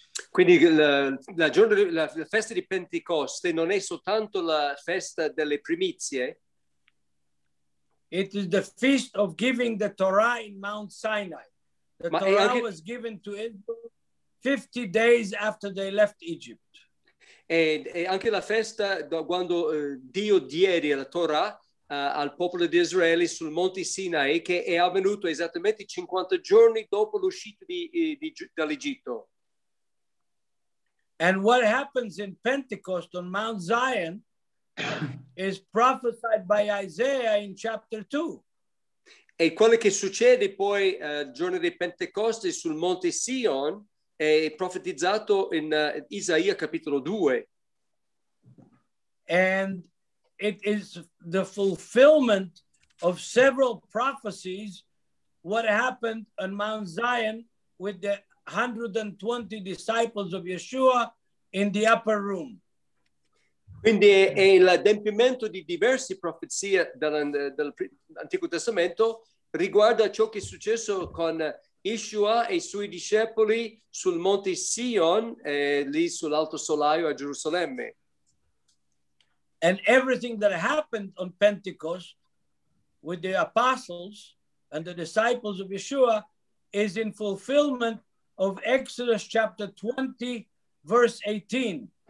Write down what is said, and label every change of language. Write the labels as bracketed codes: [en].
[it] Quindi la festa di Pentecoste non è soltanto la festa delle primizie. [en] It is the feast of giving the Torah in Mount Sinai. The Ma Torah anche... was given to Israel 50 days after they left Egypt. [it] E anche la festa quando Dio diede la Torah al popolo di Israele sul Monte Sinai, che è avvenuto esattamente 50 giorni dopo l'uscita dall'Egitto. [en] And what happens in Pentecost on Mount Zion is prophesied by Isaiah in chapter 2. [it] E quello che succede poi il giorno di Pentecoste sul Monte Sion è profetizzato in Isaia capitolo 2. [en] And it is the fulfillment of several prophecies what happened on Mount Zion with the 120 disciples of Yeshua in the upper room. [it] Quindi è l'adempimento di diverse profezie dell'Antico Testamento riguardo a ciò che è successo con Yeshua e i suoi discepoli sul Monte Sion, lì sull'Alto Solaio a Gerusalemme. [en] And everything that happened on Pentecost with the apostles and the disciples of Yeshua is in fulfillment of Exodus chapter 20, verse 18.